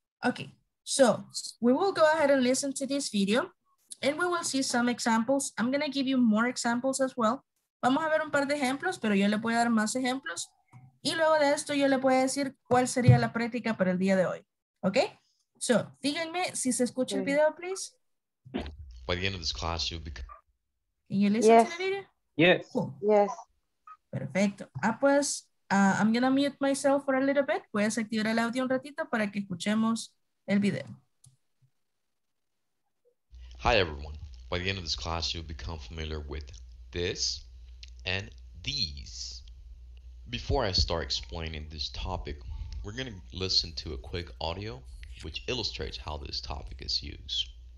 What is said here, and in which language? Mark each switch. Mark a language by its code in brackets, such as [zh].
[en] Okay, so we will go ahead and listen to this video and we will see some examples. I'm going to give you more examples as well. [es] Vamos a ver un par de ejemplos, pero yo le voy a dar más ejemplos. Y luego de esto yo le voy a decir cuál sería la práctica para el día de hoy. [en] Okay, so [es] díganme si se escucha el video, [en] please. By the end of this class, you'll be... Can you listen to the video? Yes. Cool. Yes. [es] Perfecto. Ah, pues, [en] I'm going to mute myself for a little bit. [es] Voy a desactivar el audio un ratito para que escuchemos el video. [en] Hi, everyone. By the end of this class, you'll become familiar with this and these. Before I start explaining this topic, we're going to listen to a quick audio which illustrates how this topic is used.